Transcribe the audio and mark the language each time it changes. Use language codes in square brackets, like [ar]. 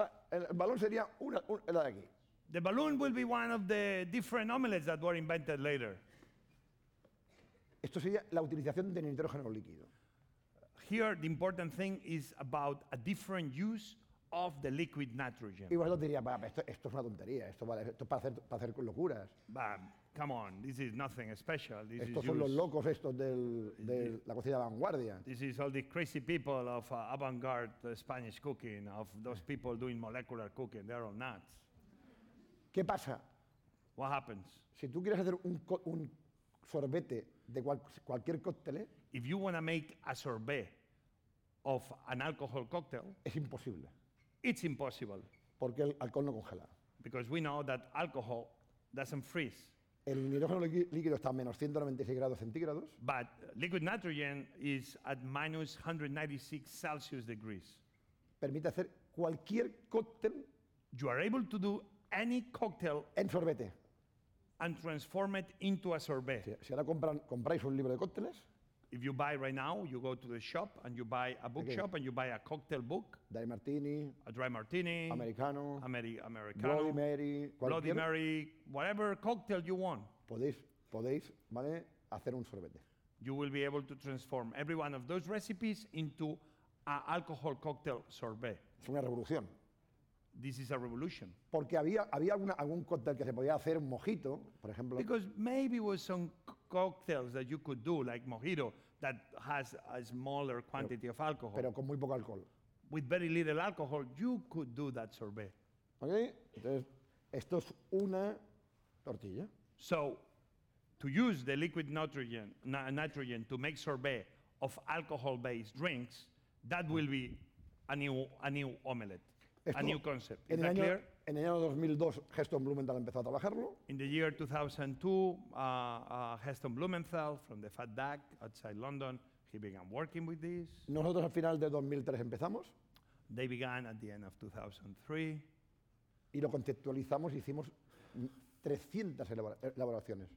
[es] El balón sería una la de aquí. [en] The balloon will be one of the different omelets that were invented later. [es] Esto sería la utilización del nitrógeno líquido. [en] Here the important thing is about a different use of the liquid nitrogen. [es] Y vos diría, esto es una tontería, esto es para hacer locuras. [en] Bam. Come on, this is nothing special. This [es] estos [en] is [es] son los locos estos de la cocina de vanguardia. [en] This is all the crazy people of avant-garde Spanish cooking, of those people doing molecular cooking. They're all nuts. [es] ¿Qué pasa? [en] What happens? [es] Si tú quieres hacer un sorbete de cualquier cóctel, [en] if you want to make a sorbet of an alcohol cocktail, [es] es imposible. [en] It's impossible. [es] Porque el alcohol no congela. [en] Because we know that alcohol doesn't freeze. [es] El nitrógeno líquido está a menos 196 grados centígrados. [en] But liquid nitrogen is at minus 196 Celsius degrees. [es] Permite hacer cualquier cóctel. [en] You are able to do any cocktail. [es] En sorbete. [en] And transform it into a sorbet. [es] Si ahora compráis un libro de cócteles. [en] If you buy right now, you go to the shop and you buy a bookshop and you buy a cocktail book. Dry martini. A dry martini. Americano. Americano. Bloody Mary. Bloody Mary. Whatever cocktail you want. [es] Podéis, ¿vale? Hacer un sorbete. [en] You will be able to transform every one of those recipes into an alcohol cocktail sorbet. [es] Es una revolución. [en] This is a revolution. [es] Porque había algún cóctel que se podía hacer, un mojito, por ejemplo. [en] Because maybe it was some cocktails that you could do, like mojito, that has a smaller quantity of alcohol. [es] Pero con muy poco alcohol. [en] With very little alcohol, you could do that sorbet. [es] Okay, entonces, esto es una tortilla. [en] So, to use the liquid nitrogen to make sorbet of alcohol-based drinks, that will be a new omelet. A new concept. Is that clear? [es] En el año 2002, Heston Blumenthal empezó a trabajarlo. [en] In the year 2002, Heston Blumenthal from the Fat Duck outside London, he began working with this. [es] Nosotros al final de 2003 empezamos. [en] They began at the end of 2003. [es] Y lo conceptualizamos, hicimos 300 elaboraciones.